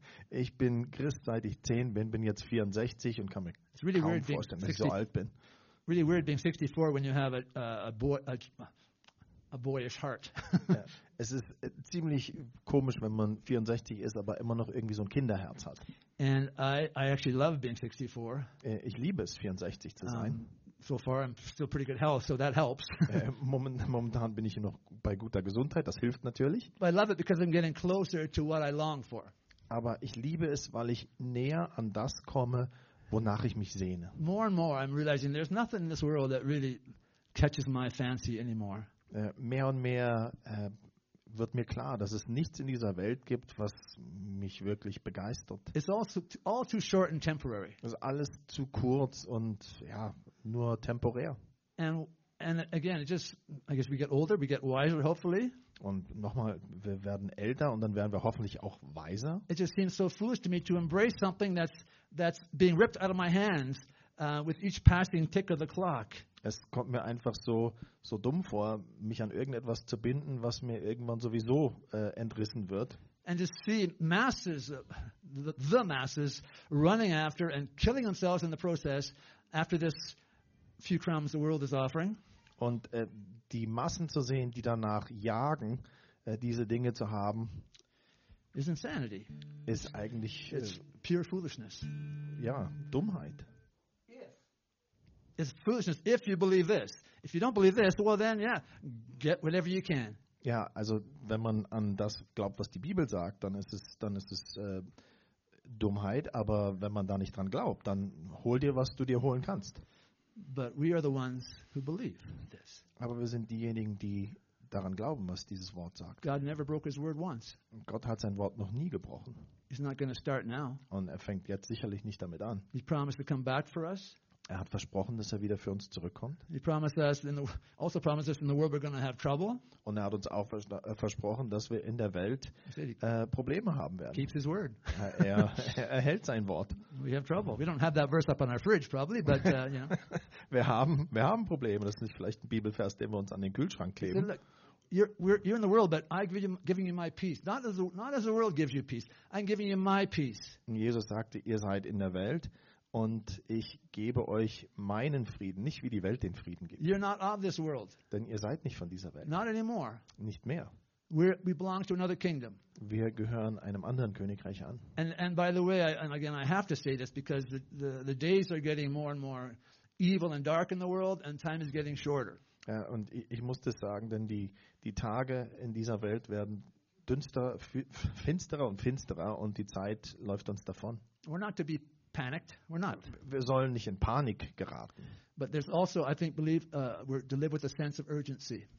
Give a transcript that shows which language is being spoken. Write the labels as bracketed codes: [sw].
[de] ich bin Christ seit ich 10 bin jetzt 64 und kann mir [en] it's really [de] kaum [en] weird [de] vorstellen, dass ich so alt bin. [en] Really weird being 64 when you have a boyish heart. [de] Ja, es ist ziemlich komisch, wenn man 64 ist, aber immer noch irgendwie so ein Kinderherz hat. [en] And I actually love being 64. [de] Ich liebe es, 64 zu sein. [en] So far I'm still pretty good health, so that helps. [de] Momentan bin ich noch bei guter Gesundheit, das hilft natürlich. [en] But I love it because I'm getting closer to what I long for. [de] Aber ich liebe es, weil ich näher an das komme, wonach ich mich sehne. [en] More and more I'm realizing there's nothing in this world that really catches my fancy anymore. [de] Mehr und mehr wird mir klar, dass es nichts in dieser Welt gibt, was mich wirklich begeistert. [en] It's all too short and temporary. [de] Es ist alles zu kurz und ja, nur temporär. [en] And again, it just, I guess we get older, we get wiser, hopefully. [de] Und nochmal, wir werden älter und dann werden wir hoffentlich auch weiser. [en] It just seems so foolish to me to embrace something that's being ripped out of my hands with each passing tick of the clock. [de] Es kommt mir einfach so dumm vor, mich an irgendetwas zu binden, was mir irgendwann sowieso entrissen wird. [en] And to see masses, the masses, running after and killing themselves in the process after this few crumbs the world is offering. [de] Und die Massen zu sehen, die danach jagen, diese Dinge zu haben, [en] is insanity. [de] Ist eigentlich [en] pure foolishness. [de] Ja, Dummheit. [en] It's foolishness if you believe this. If you don't believe this, well then, yeah, get whatever you can. [de] Ja, also wenn man an das glaubt, was die Bibel sagt, dann ist es Dummheit. Aber wenn man da nicht dran glaubt, dann hol dir, was du dir holen kannst. [en] But we are the ones who believe this. [de] Aber wir sind diejenigen, die daran glauben, was dieses Wort sagt. [en] God never broke his word once. [de] Gott hat sein Wort noch nie gebrochen. [en] He's not going to start now. [de] Und er fängt jetzt sicherlich nicht damit an. [en] He promised to come back for us. [de] Er hat versprochen, dass er wieder für uns zurückkommt. [en] He promised us also promised us in the world we're going to have trouble. [de] Und er hat uns auch versprochen, dass wir in der Welt Probleme haben werden. [en] Keeps his word. [de] Er hält sein Wort. [en] We have trouble. We don't have that verse up on our fridge probably, but you know. [de] wir haben Probleme. Das ist nicht vielleicht ein Bibelvers, den wir uns an den Kühlschrank kleben. [en] Said, look, you're in the world, but I'm giving you my peace. Not as the world gives you peace. I'm giving you my peace. [de] Und Jesus sagte, ihr seid in der Welt. Und ich gebe euch meinen Frieden, nicht wie die Welt den Frieden gibt. [en] You're not of this world. [de] Denn ihr seid nicht von dieser Welt. [en] Not anymore. [de] Nicht mehr. [en] We belong to another kingdom. [de] Wir gehören einem anderen Königreich an. [en] And by the way, again, I have to say this because the days are getting more and more evil and dark in the world, and time is getting shorter. [de] Ja, und ich muss das sagen, denn die Tage in dieser Welt werden dünster, finsterer und finsterer, und die Zeit läuft uns davon. [en] We're not to be panicked. We're not. [de] Wir sollen nicht in Panik geraten. [en] But there's also, I think, believe we're to live with a sense of urgency.